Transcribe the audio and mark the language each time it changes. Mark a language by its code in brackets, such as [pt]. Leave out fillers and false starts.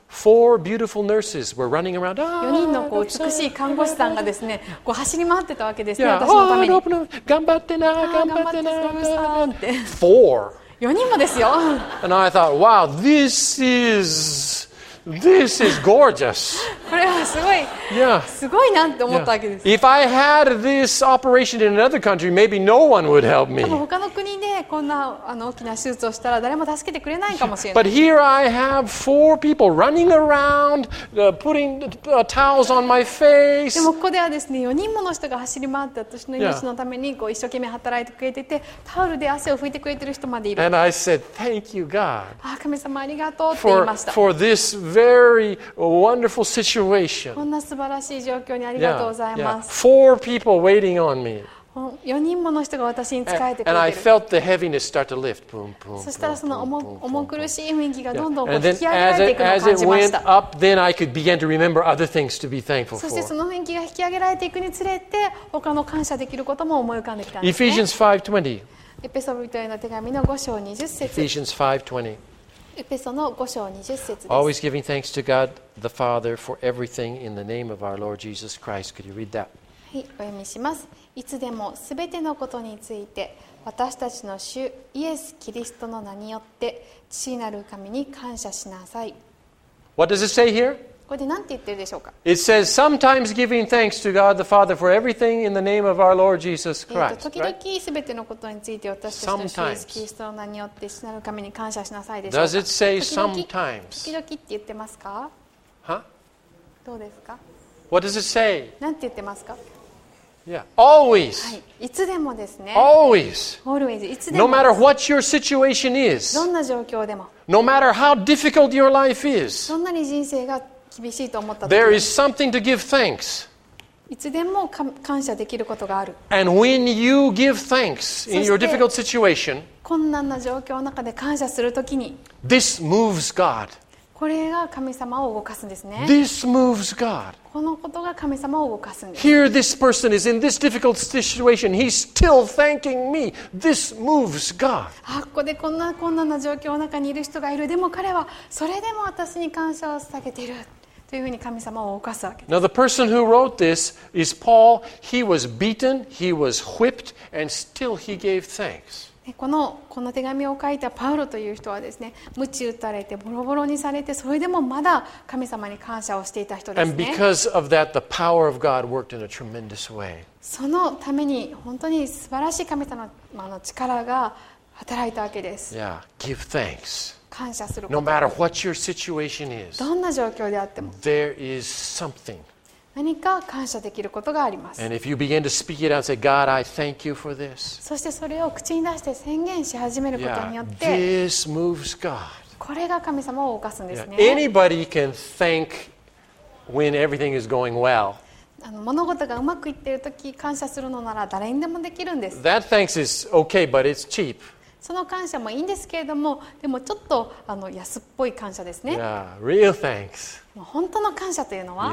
[en] Four beautiful nurses were running around. [ja] 4人のこう美しい看護師さんがですね、こう走り回ってたわけですね、私のために。 [en] Yeah. Oh, [ja] 頑張ってな、頑張ってな、頑張ってな。 [en] Four. [ja] 4人もですよ。 [en] And I thought, wow, this is gorgeous. [ja] これはすごい、 [en] yeah. [ja] すごいなって思ったわけです。 [en] If I had this operation in another country, maybe no one would help me. [ja] 他の国でこんな大きな手術をしたら誰も助けてくれないかもしれない。 [en] But here I have four people running around, putting towels on my face. [ja] でもここではですね、4人もの人が走り回って私の命のためにこう一生懸命働いてくれてて、タオルで汗を拭いてくれてる人までいる。 [en] And I said, "Thank you, God." [ja] 神様ありがとうって言いました。 [en] For this. Very wonderful situation. [ja] こんな素晴らしい状況にありがとうございます。 [en] Yeah, yeah. Four people waiting on me. [ja] 4人もの人が私に仕えてくれてる。 [en] And I felt the heaviness start to lift. Boom, boom, boom, [ja] そしたらその重苦しい雰囲気がどんどん引き上げられていくのを感じました。 [en] As it went up, then I could begin to remember other things to be thankful for. [ja] そしてその雰囲気が引き上げられていくにつれて、他の感謝できることも思い浮かんできたんですね。 [en] Ephesians 5:20. [ja] エペソ人への手紙の5章20節。 [en] Ephesians 5:20. [ja] エペソの5章20節です。 [en] Always giving thanks to God the Father for everything in the name of our Lord Jesus Christ. Could you read that? [ja] はい、お読みします。いつでもすべてのことについて、私たちの主イエス・キリストの名によって、父なる神に感謝しなさい。 [en] What does it say here? [ja] ここで何て言ってるでしょうか? [en] It says, sometimes giving thanks to God the Father for everything in the name of our Lord Jesus Christ. [ja] 時々すべてのことについて私たちのイエス・キリストの名によって父なる神に感謝しなさいでしょうか? [en] Does it say sometimes? [ja] 時々って言ってますか? [en] Huh? [ja] どうですか? [en] What does it say? [ja] 何て言ってますか? [en] Yeah. Always. [ja] はい。いつでもですね。 [en] Always. Always. [ja] いつでも。 [en] No matter what your situation is. [ja] どんな状況でも。 [en] No matter how difficult your life is. [ja] どんなに人生が厳しいと思った時、 [en] There is something to give thanks. [ja] いつでも感謝できることがある。 [en] And when you give thanks in your difficult situation, [ja] 困難な状況の中で感謝するときに、 [en] This moves God. [ja] これが神様を動かすんですね。 [en] This moves God. [ja] このことが神様を動かすんです。 [en] Here this person is in this difficult situation. He's still thanking me. This moves God. [ja] ここでこんな困難な状況の中にいる人がいる。でも彼はそれでも私に感謝を捧げている。というふうに神様を動かすわけです。 [en] Now the person who wrote this is Paul. He was beaten, he was whipped, and still he gave thanks. [ja] この手紙を書いたパウロという人はですね、鞭打たれてボロボロにされて、それでもまだ神様に感謝をしていた人ですね。 [en] And because of that, the power of God worked in a tremendous way. [ja] そのために本当に素晴らしい神様の力が働いたわけです。 [en] Yeah, give thanks. [ja] 感謝すること。 [en] No matter what your situation is, [ja] どんな状況であっても、 [en] there is something. [ja] 何か感謝できることがあります。 [en] And if you begin to speak it out, say, God, I thank you for this. [ja] そしてそれを口に出して宣言し始めることによって、 [en] yeah, this moves God. [ja] これが神様を動かすんですね。 [en] Yeah. Anybody can thank when everything is going well. [ja] 物事がうまくいっているとき感謝するのなら誰にでもできるんです。 [en] That thanks is okay, but it's cheap. [ja] その感謝もいいんですけれども、でもちょっと安っぽい感謝ですね。 [en] Yeah, real thanks. [ja] 本当の感謝というのは、